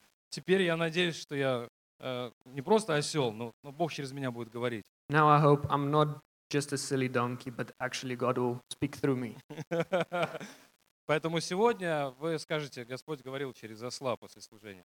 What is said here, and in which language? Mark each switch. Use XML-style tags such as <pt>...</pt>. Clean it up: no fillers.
<ru>Теперь я надеюсь, что я не просто осел, но Бог через меня будет говорить.</ru> <en>Now I hope I'm not just a silly donkey, but actually God will speak through me.</en> <ru>Поэтому сегодня вы скажете: Господь говорил через осла после служения.</ru>